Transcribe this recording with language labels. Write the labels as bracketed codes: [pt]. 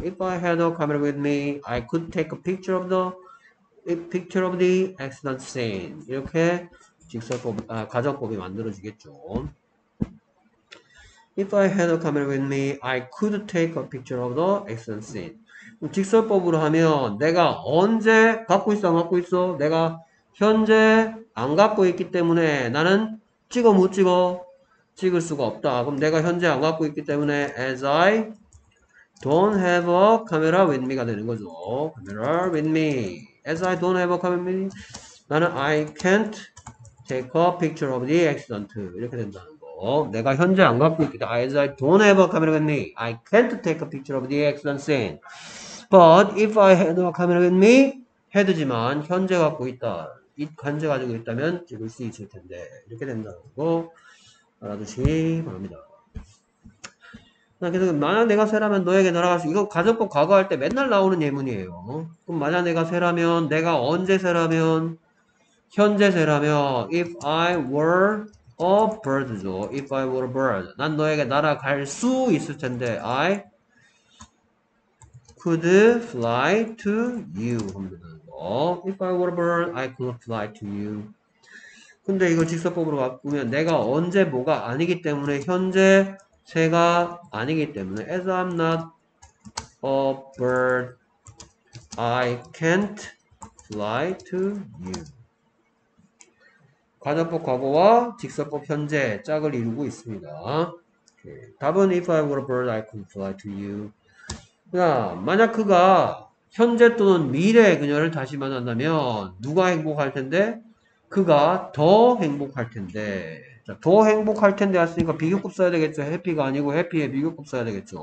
[en] If I had a camera with me, I could take a picture of the accident scene. [ko] 이렇게 직설법, 가정법이 만들어지겠죠. [en] If I had a camera with me, I could take a picture of the accident scene. [ko] 직설법으로 하면 내가 언제 갖고 있어, 안 갖고 있어? 내가 현재 안 갖고 있기 때문에 나는 찍어, 못 찍어? 찍을 수가 없다. 그럼 내가 현재 안 갖고 있기 때문에 [en] as I don't have a camera with me [ko] 가 되는 거죠. [en] Camera with me. As I don't have a camera with me, [ko] 나는 [en] I can't take a picture of the accident. [ko] 이렇게 된다. 내가 현재 안 갖고 있겠다. [en] As I don't have a camera with me, I can't take a picture of the accident scene. But if I had a camera with me, [ko] 헤드지만 현재 갖고 있다. 이 현재 가지고 있다면 찍을 수 있을 텐데. 이렇게 된다는 거 알아두시기 바랍니다. 계속, 만약 내가 새라면 너에게 날아갈 수, 이거 가정법 과거할 때 맨날 나오는 예문이에요. 그럼 만약 내가 새라면, 내가 언제 새라면, 현재 새라면, [en] if I were a bird [ko] 죠. [en] If I were a bird. [ko] 난 너에게 날아갈 수 있을 텐데. [en] I could fly to you. 어? If I were a bird, I could fly to you. [ko] 근데 이걸 직설법으로 바꾸면 내가 언제 뭐가 아니기 때문에 현재 새가 아니기 때문에 [en] as I'm not a bird, I can't fly to you. [ko] 관용법 과거와 직설법 현재 짝을 이루고 있습니다. 답은 [en] if I were a bird, I could fly to you. [ko] 자, 만약 그가 현재 또는 미래의 그녀를 다시 만난다면 누가 행복할 텐데? 그가 더 행복할 텐데. 자, 더 행복할 텐데 했으니까 비교급 써야 되겠죠. 해피가 아니고 해피의 비교급 써야 되겠죠.